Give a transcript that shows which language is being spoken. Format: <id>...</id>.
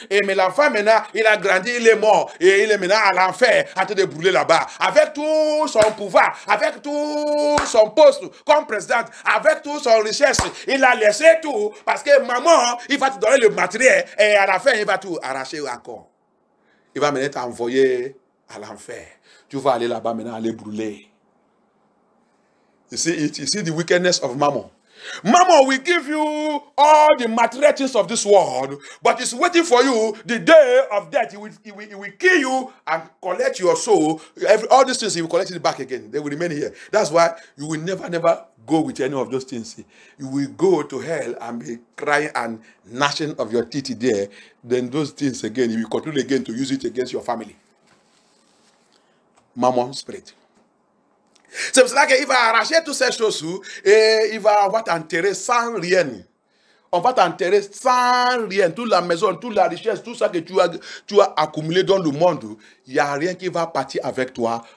<fr>Et mais l'enfant maintenant, il a grandi, il est mort et il est maintenant à l'enfer, en train de brûler là-bas, avec tout son pouvoir, avec tout son poste comme président, avec tout son richesse, il a laissé tout parce que maman, il va te donner le matériel et à la fin, il va tout arracher encore. Il va maintenant t'envoyer à l'enfer. Tu vas aller là-bas maintenant, aller brûler.</fr> <en>You see the wickedness of Mammon. Mama, we give you all the material things of this world, but it's waiting for you the day of death. He will kill you and collect your soul. All these things, he will collect it back again. They will remain here. That's why you will never go with any of those things. You will go to hell and be crying and gnashing of your teeth there. Then those things again, you will continue again to use it against your family. Mammon spirit.</en> <fr>C'est pour cela qu'il va arracher toutes ces choses et on va t'enterrer sans rien. On va t'enterrer sans rien. Toute la maison, toute la richesse, tout ça que tu as accumulé dans le monde, il n'y a rien qui va partir avec toi.</fr>